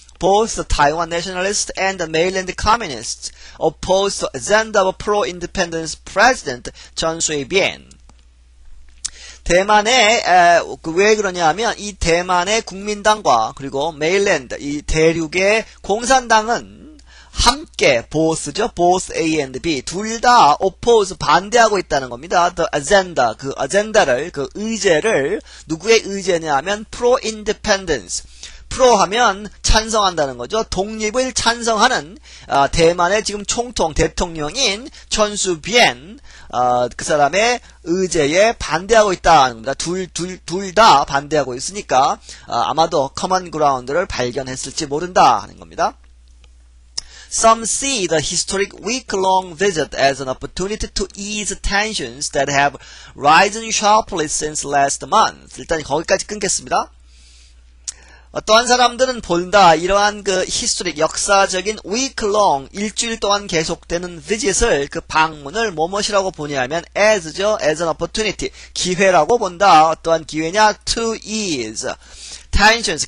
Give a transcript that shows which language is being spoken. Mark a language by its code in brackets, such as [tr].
[en] Both the Taiwan nationalists and the mainland communists opposed the agenda of pro-independence president Chen Shui-bian. [ko] 대만의 왜 그러냐면 이 대만의 국민당과 그리고 mainland 이 대륙의 공산당은 함께 보스죠. 보스 A and B 둘다 oppose 반대하고 있다는 겁니다. [en] The agenda [ko] 그 agenda를 그 의제를 누구의 의제냐면 pro-independence. 프로 하면 찬성한다는 거죠. 독립을 찬성하는 대만의 지금 총통 대통령인 천수비엔 그 사람의 의제에 반대하고 있다는 겁니다. 둘다 반대하고 있으니까 아마도 커먼 그라운드를 발견했을지 모른다는 겁니다. [en] Some see the historic week-long visit as an opportunity to ease tensions that have risen sharply since last month. [ko] 일단 거기까지 끊겠습니다. 어떤 사람들은 본다. 이러한 그 히스토릭, 역사적인 week-long, 일주일 동안 계속되는 visit을, 그 방문을 무엇이라고 보냐면, as죠. [en] as an opportunity. [ko] 기회라고 본다. 어떠한 기회냐? [en] to ease. tensions.